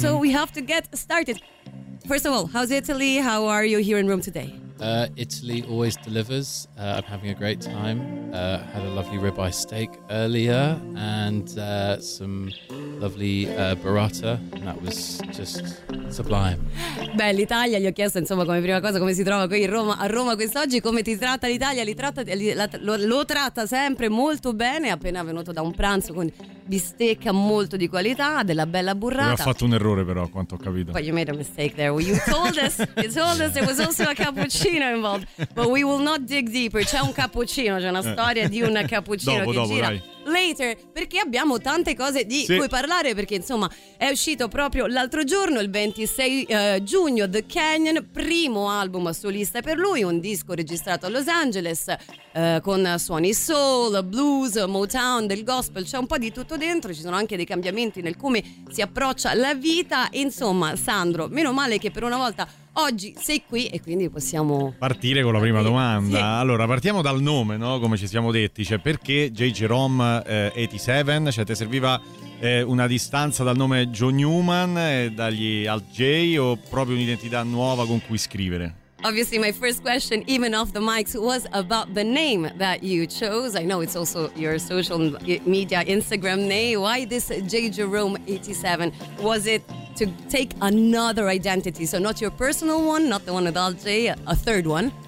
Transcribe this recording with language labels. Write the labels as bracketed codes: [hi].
[en] So we have to get started. First of all, how's Italy? How are you here in Rome today? Italy always delivers. I'm having a great time. Had a lovely ribeye steak earlier and some lovely burrata. And that was just sublime. [it] Beh, l'Italia, gli ho chiesto insomma come prima cosa come si trova qui in Roma, a Roma quest'oggi, come ti tratta l'Italia. Lo tratta sempre molto bene. Appena venuto da un pranzo con bistecca molto di qualità, della bella burrata. Aveva fatto un errore però, quanto ho capito. [en] But you made a mistake there. Well, you told us there was also a cappuccino involved. But we will not dig deeper. [it] C'è un cappuccino, c'è una storia di un cappuccino dopo, gira. Dai. Later, perché abbiamo tante cose di cui parlare, perché insomma è uscito proprio l'altro giorno, il 26 giugno, The Canyon, primo album solista per lui, un disco registrato a Los Angeles con suoni soul, blues, Motown, del gospel, c'è un po' di tutto dentro, ci sono anche dei cambiamenti nel come si approccia la vita. Insomma, Sandro, meno male che per una volta oggi sei qui e quindi possiamo partire con la prima domanda. Sì. Allora, partiamo dal nome, no? Come ci siamo detti, cioè perché J. Jerome 87? Cioè, ti serviva una distanza dal nome Joe Newman e dagli Alt J, o proprio un'identità nuova con cui scrivere? [en] Obviously, my first question, even off the mics, was about the name that you chose. I know it's also your social media Instagram name. Why this J. Jerome 87? Was it to take another identity? So not your personal one, not the one with Alt J, a third one?